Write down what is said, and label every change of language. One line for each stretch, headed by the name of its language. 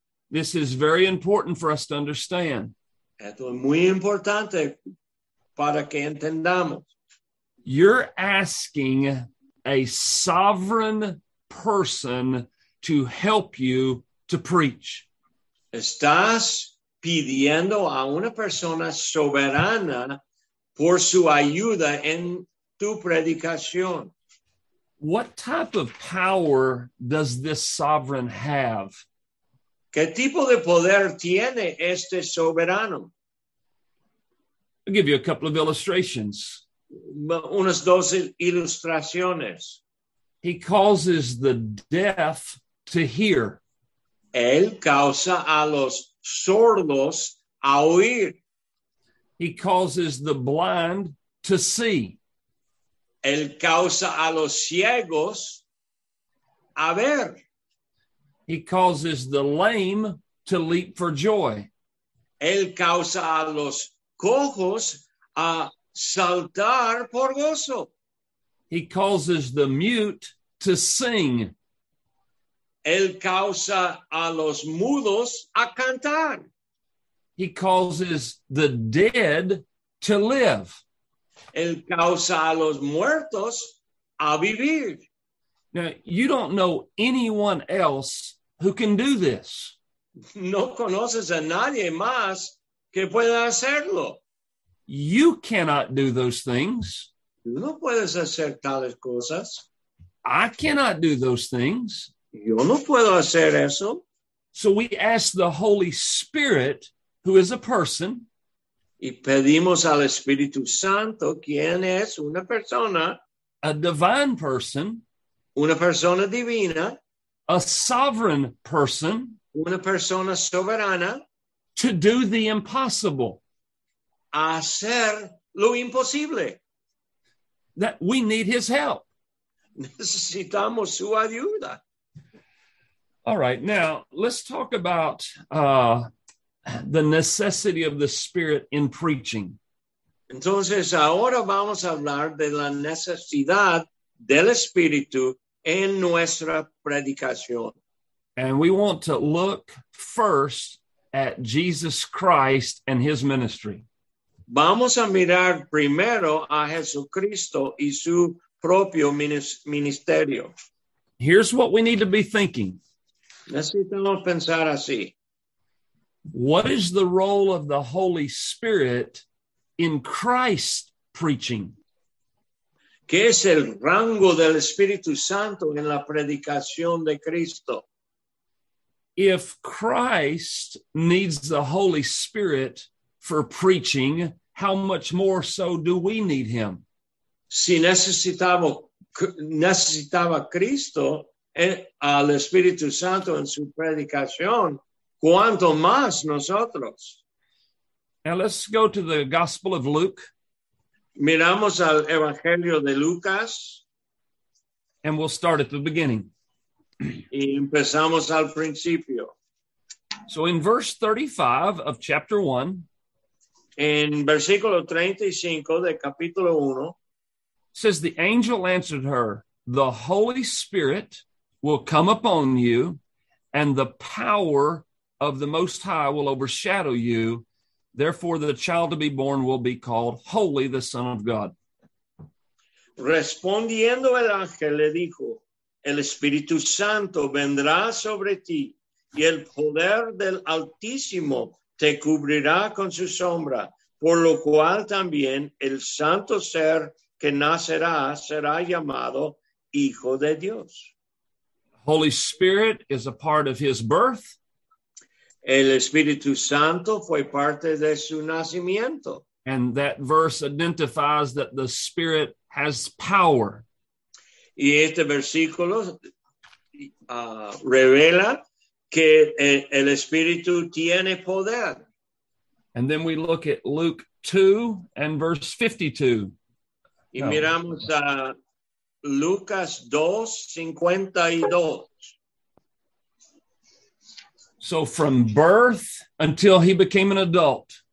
English: This is very important for us to understand.
Spanish: Esto es muy importante para que entendamos.
English: You're asking a sovereign person to help you to preach.
Spanish: Estás pidiendo a una persona soberana por su ayuda en tu predicación.
English: What type of power does this sovereign have?
Spanish: ¿Qué tipo de poder tiene este soberano?
English: I'll give you a couple of illustrations.
Spanish: Unas dos ilustraciones.
English: He causes the deaf to hear.
Spanish: Él causa a los sordos a oír.
English: He causes the blind to see.
Spanish: Él causa a los ciegos a ver.
English: He causes the lame to leap for joy.
Spanish: Él causa a los cojos a saltar por gozo.
English: He causes the mute to sing.
Spanish: Él causa a los mudos a cantar.
English: He causes the dead to live.
Spanish: Él causa a los muertos a vivir.
English: Now, you don't know anyone else who can do this.
Spanish: No conoces a nadie más que pueda hacerlo.
English: You cannot do those things.
Spanish: No puedes hacer tales cosas.
English: I cannot do those things.
Spanish: Yo no puedo hacer eso.
English: So we ask the Holy Spirit, who is a person.
Spanish: Y pedimos al Espíritu Santo, quien es una persona.
English: A divine person.
Spanish: Una persona divina.
English: A sovereign person.
Spanish: Una persona soberana.
English: To do the impossible.
Spanish: Hacer lo imposible.
English: That we need his help.
Spanish: Necesitamos su ayuda.
English: All right, now let's talk about the necessity of the Spirit in preaching.
Spanish: Entonces, ahora vamos a hablar de la necesidad del Espíritu en nuestra predicación.
English: And we want to look first at Jesus Christ and his ministry.
Spanish: Vamos a mirar primero a Jesucristo y su propio ministerio.
English: Here's what we need to be thinking.
Spanish: Necesitamos pensar así.
English: What is the role of the Holy Spirit in Christ preaching?
Spanish: ¿Qué es el rango del Espíritu Santo en la predicación de Cristo?
English: If Christ needs the Holy Spirit for preaching, how much more so do we need him?
Spanish: Si necesitaba Cristo al Espíritu Santo en su predicación, ¿cuánto más nosotros?
English: Now let's go to the Gospel of Luke.
Spanish: Miramos al Evangelio de Lucas.
English: And we'll start at the beginning.
Spanish: Y empezamos al principio.
English: So in verse 35 of chapter 1.
Spanish: En versículo 35 de capítulo 1.
English: Says the angel answered her, "The Holy Spirit will come upon you, and the power of the Most High will overshadow you. Therefore, the child to be born will be called Holy, the Son of God."
Spanish: Respondiendo el ángel le dijo, "El Espíritu Santo vendrá sobre ti, y el poder del Altísimo te cubrirá con su sombra, por lo cual también el santo ser que nacerá será llamado Hijo de Dios."
English: Holy Spirit is a part of his birth.
Spanish: El Espíritu Santo fue parte de su nacimiento.
English: And that verse identifies that the Spirit has power.
Spanish: Y este versículo revela que el Espíritu tiene poder.
English: And then we look at Luke 2 and verse 52.
Spanish: Y miramos a Lucas 2, 52.
English: So from birth until he became an adult.